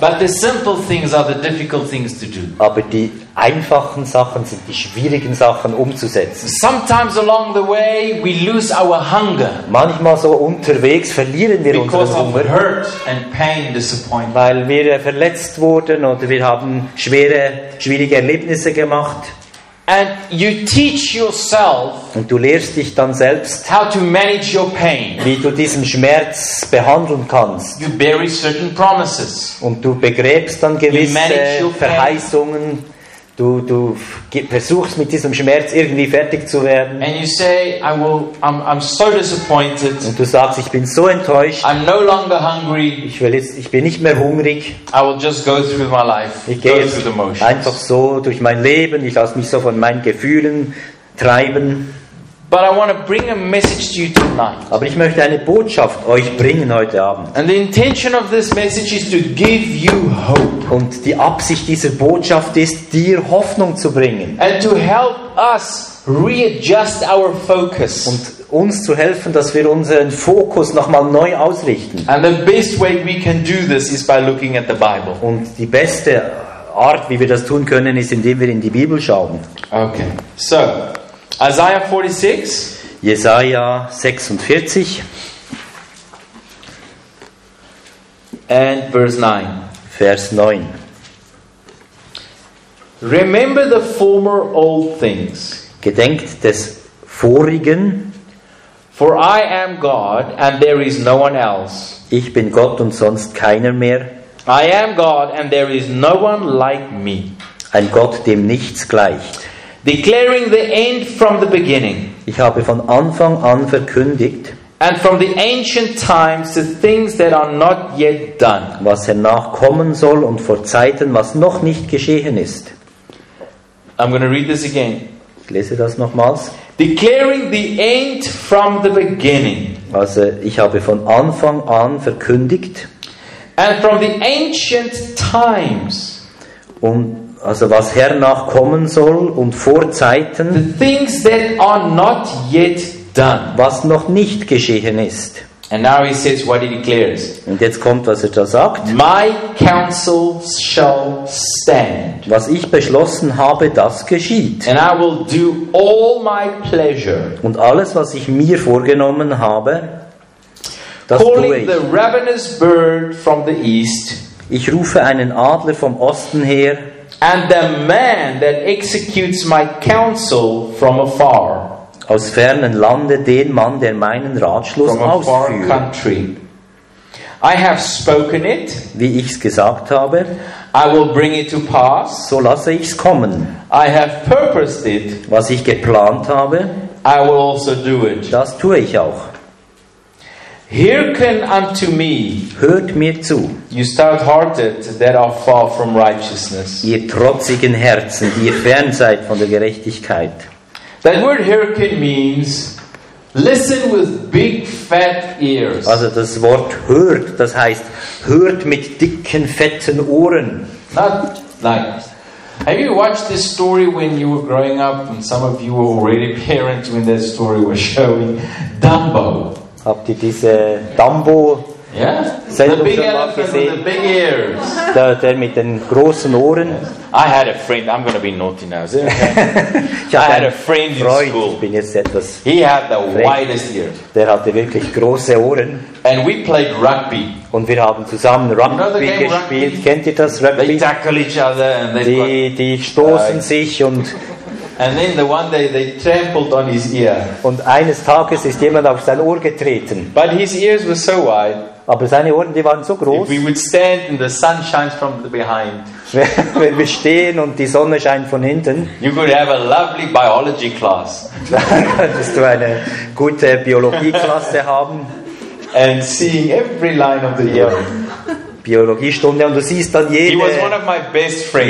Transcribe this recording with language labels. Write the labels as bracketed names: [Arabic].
[English] But the simple things are the difficult things to do. [German] Aber die einfachen Sachen sind die schwierigen Sachen umzusetzen. [English] Sometimes along the way we lose our hunger. [German] Manchmal so unterwegs verlieren wir unseren Hunger. [English] Hurt and pain, disappointment. [German] Weil wir verletzt wurden oder wir haben schwierige Erlebnisse gemacht. [English] And you teach yourself, [German] und du lehrst dich dann selbst, [English] how to manage your pain. [German] Wie du diesen Schmerz behandeln kannst. [English] You bury certain promises. [German] Und du begräbst dann gewisse Verheißungen. Du versuchst mit diesem Schmerz irgendwie fertig zu werden. [English] And you say, I'm so disappointed. [German] Und du sagst, ich bin so enttäuscht. [English] I'm no longer hungry. [German] Ich bin nicht mehr hungrig. [English] I will just go through my life. [German] Ich gehe jetzt einfach so durch mein Leben. Ich lasse mich so von meinen Gefühlen treiben. [English] But I want to bring a message to you tonight. [German] Aber ich möchte eine Botschaft euch bringen heute Abend. [English] And the intention of this message is to give you hope. [German] Und die Absicht dieser Botschaft ist, dir Hoffnung zu bringen. [English] And to help us readjust our focus. [German] Und uns zu helfen, dass wir unseren Fokus nochmal neu ausrichten. [English] And the best way we can do this is by looking at the Bible. [German] Und die beste Art, wie wir das tun können, ist, indem wir in die Bibel schauen. [English] Okay. So, Isaiah 46. [German] Jesaja 46. [English] And verse 9. [German] Vers 9. [English] Remember the former old things. [German] Gedenkt des Vorigen. [English] For I am God and there is no one else. [German] Ich bin Gott und sonst keiner mehr. [English] I am God and there is no one like me. [German] Ein Gott, dem nichts gleicht. [English] Declaring the end from the beginning. [German] Ich habe von Anfang an verkündigt. [English] And from the ancient times the things that are not yet done. [German] Was hernach kommen soll und vor Zeiten, was noch nicht geschehen ist. [English] I'm going to read this again. [German] Ich lese das nochmals. [English] Declaring the end from the beginning. [German] Also, ich habe von Anfang an verkündigt. [English] And from the ancient times. [German] Und also was hernach kommen soll und vor Zeiten, [English] the things that are not yet done, [German] was noch nicht geschehen ist. [English] And now he says what he declares. [German] Und jetzt kommt, was er da sagt. [English] My counsel shall stand. [German] Was ich beschlossen habe, das geschieht. [English] And I will do all my pleasure. [German] Und alles, was ich mir vorgenommen habe, das tue ich. [English] Calling the ravenous bird from the east. [German] Ich rufe einen Adler vom Osten her. [English] And the man that executes my counsel from afar. [German] Aus fernen Lande den Mann, der meinen Ratschluss ausführt. [English] From a far country. I have spoken it. [German] Wie ich's gesagt habe. [English] I will bring it to pass. [German] So lasse ich's kommen. [English] I have purposed it. [German] Was ich geplant habe. [English] I will also do it. [German] Das tue ich auch. [English] Hearken unto me. [German] Hört mir zu. [English] You stout-hearted that are far from righteousness. [German] Ihr trotzigen Herzen, die ihr fern seid von der Gerechtigkeit. [English] That word hearken means listen with big fat ears. [German] Also das Wort hört, das heißt hört mit dicken fetten Ohren. [English] Not like. Have you watched this story when you were growing up? And some of you were already parents when that story was showing. Dumbo. [German] Habt ihr diese Dumbo-Sendung schon mal gesehen? [English] The big ears. [German] Der mit den großen Ohren. [English] Yes. I had a friend. I'm going to be naughty now. Is it okay? I had a friend in [German] Freund, [English] school. [German] Ich bin jetzt etwas. [English] He had the widest ears. [German] Der hatte wirklich große Ohren. [English] And we played rugby. [German] Und wir haben zusammen Rugby, [English] you know, [German] gespielt. [English] Rugby? [German] Kennt ihr das Rugby? [English] They tackle each other and they. [German] Die stoßen sich und. [English] And then the one day they trampled on his ear. [German] Und eines Tages ist jemand auf sein Ohr getreten. [English] But his ears were so wide. [German] Aber seine Ohren, die waren so groß. [English] If we would stand and the sun shines from the behind. [German] Wenn wir stehen und die Sonne scheint von hinten. [English] You could have a lovely biology class. [German] Könntest du eine gute Biologieklasse haben. [English] And seeing every line of the ear. [German] Biologiestunde und du siehst dann jede Linie im Ohr. [English] He was one of my best friends.